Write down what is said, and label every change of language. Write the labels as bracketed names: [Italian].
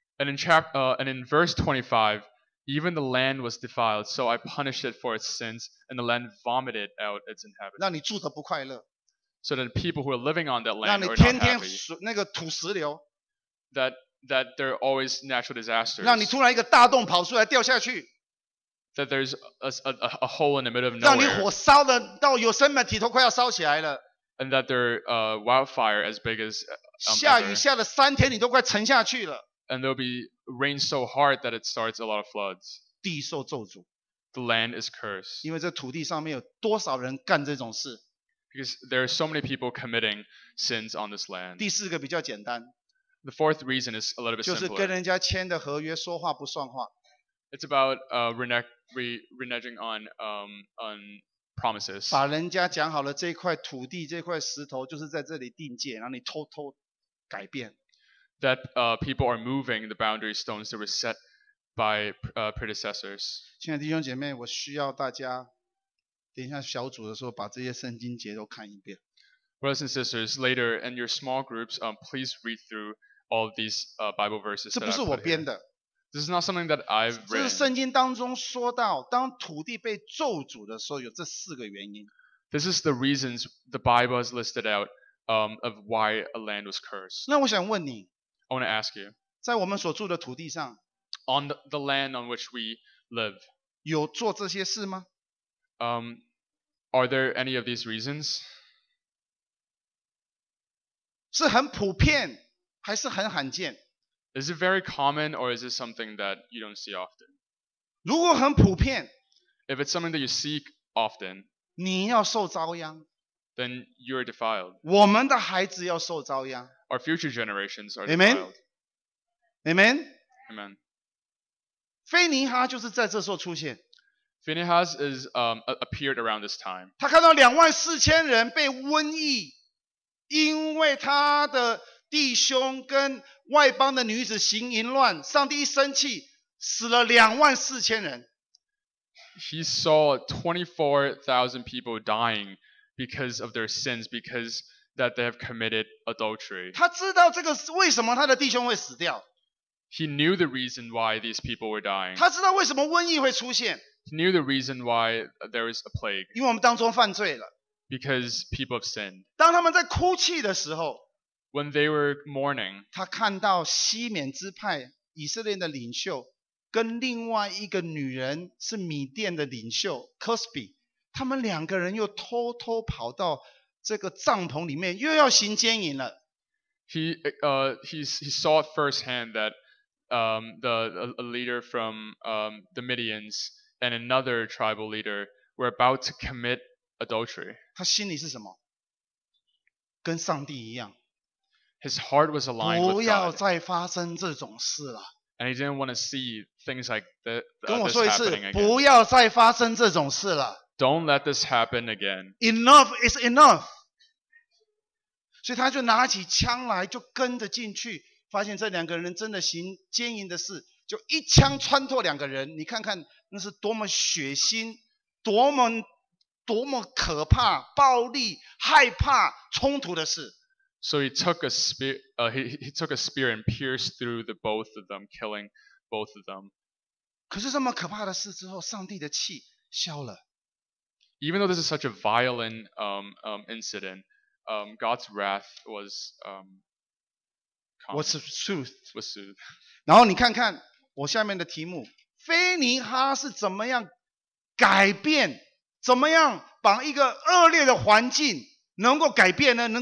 [English] And in verse 25, Even the land was defiled, so I punished it for its sins, and the land vomited out its inhabitants. [Chinese] 让你住得不快乐。 [English] So that people who are living on that land are not happy. [Chinese] 让你天天那个土石流。 [English] That there are always natural disasters. [Chinese] 让你突然一个大洞跑出来掉下去。 [English] That there's a hole in the middle of nowhere. [Chinese] 让你火烧的到有生命体都快要烧起来了。 [English] And that there are wildfire as big as. [Chinese] 下雨下了三天，你都快沉下去了。 [English] And there'll be rain so hard that it starts a lot of floods. [Chinese] 地受咒诅。 [English] The land is cursed. [Chinese] 因为这土地上面有多少人干这种事。 [English] Because there are so many people committing sins on this land. [Chinese] 第四个比较简单。 [English] The fourth reason is a little bit simpler. [Chinese] 就是跟人家签的合约说话不算话。 [English] It's about reneging on promises. [Chinese] 把人家讲好了这块土地这块石头就是在这里定界，然后你偷偷改变。 [English] That people are moving the boundary stones that were set by predecessors. [Chinese] 亲爱的弟兄姐妹，我需要大家等一下小组的时候把这些圣经节都看一遍。 [English] Brothers and sisters, later in your small groups, please read through all of these Bible verses. [Chinese] 这不是我编的。 [English] This is not something that I've read. [Chinese] 这是圣经当中说到，当土地被咒诅的时候，有这四个原因。 [English] This is the reasons the Bible has listed out of why a land was cursed. [Chinese] 那我想问你。 [English] I want to ask you, [Chinese] 在我们所住的土地上 [English] on the land on which we live, [Chinese] 有做这些事吗？ [English] Are there any of these reasons? [Chinese] 是很普遍还是很罕见？ [English] Is it very common or is it something that you don't see often? [Chinese] 如果很普遍， [English] If it's something that you see often, [Chinese] 你要受遭殃， [English] Then you're defiled. [Chinese] 我们的孩子要受遭殃。 [English] Our future generations are defiled. Amen. Amen. [Chinese] 腓尼哈就是在这时候出现。 [English] Phinehas is appeared around this time. [Chinese] 他看到两万四千人被瘟疫，因为他的弟兄跟外邦的女子行淫乱，上帝一生气，死了两万四千人。 [English] He saw 24,000 people dying because of their sins because. That they have committed adultery. [Chinese] 他知道这个为什么他的弟兄会死掉。 [English] He knew the reason why these people were dying. [Chinese] 他知道为什么瘟疫会出现。 [English] He knew the reason why there is a plague. [Chinese] 因为我们当中犯罪了。 [English] Because people have sinned. [Chinese] 当他们在哭泣的时候。 [English] When they were mourning. [Chinese] 他看到西缅支派以色列的领袖跟另外一个女人是米甸的领袖 Cusby， 他们两个人又偷偷跑到。这个帐篷里面又要行奸淫了。 [English] He saw firsthand that the leader from the Midians and another tribal leader were about to commit adultery. [Chinese] 他心里是什么？跟上帝一样。 [English] His heart was aligned with God. [Chinese] 不要再发生这种事了。 [English] And he didn't want to see things like that. [Chinese] 跟我说一次，不要再发生这种事了。 [English] Don't let this happen again. Enough is enough. [Chinese] 所以他就拿起枪来，就跟着进去，发现这两个人真的行奸淫的事，就一枪穿透两个人。你看看那是多么血腥，多么可怕、暴力、害怕、冲突的事。 [English] So he took a spear. He took a spear and pierced through the both of them, killing both of them. 可是这么可怕的事之后，上帝的气消了。 Even though this is such a violent incident, God's wrath was calmed. What's truth? Was soothed. [Chinese] 然后你看看我下面的题目，腓尼哈是怎么样改变，怎么样把一个恶劣的环境能够改变呢？